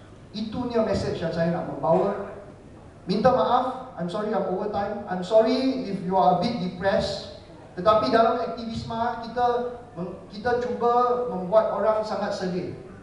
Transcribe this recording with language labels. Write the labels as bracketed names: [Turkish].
[Malay] Itu ni message yang saya nak membawa. Minta maaf, [English] I'm sorry I'm over time. I'm sorry if you are a bit depressed. [Malay] Tetapi dalam aktivisme kita cuba membuat orang sangat sedih.